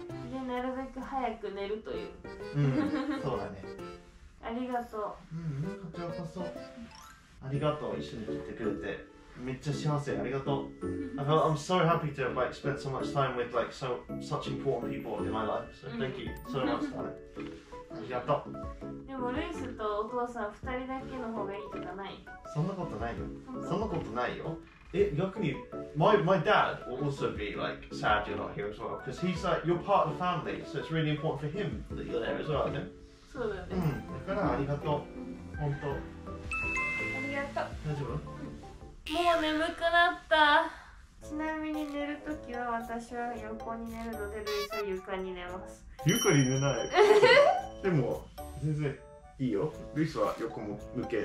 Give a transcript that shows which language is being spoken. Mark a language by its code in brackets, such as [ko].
[ja] でなるべく早く寝るという。うん、そうだね。ありがとう。うん、こちらこそ。ありがとう、一緒に来てくれて。めっちゃ幸せ、ありがとう。 [en] I'm so happy to like spend so much time with like such important people in my life. So thank you so much for it. [ja] ありがとう。でもルイスとお父さん二人だけの方がいいとかない？そんなことないよ。そんなことないよ。逆に、 [en] my dad will also be like sad you're not here as well. Because he's like, you're part of the family. So it's really important for him that you're there as well, isn't it? [ja] そうだね。うん、だからありがとう。本当。ありがとう。大丈夫？もう眠くなった。ちなみに寝るときは私は横に寝るので、ルイスは床に寝ます。床に寝ない。でも全然いいよ、ルイスは横も向け。